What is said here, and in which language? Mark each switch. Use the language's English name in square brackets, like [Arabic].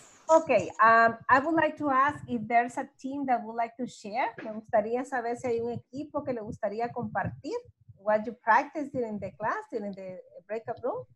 [English] Okay, I would like to ask if there's a team that would like to share. [Spanish] Me gustaría saber si hay un equipo que le gustaría compartir. [English] What you practiced during the class, during the breakout room?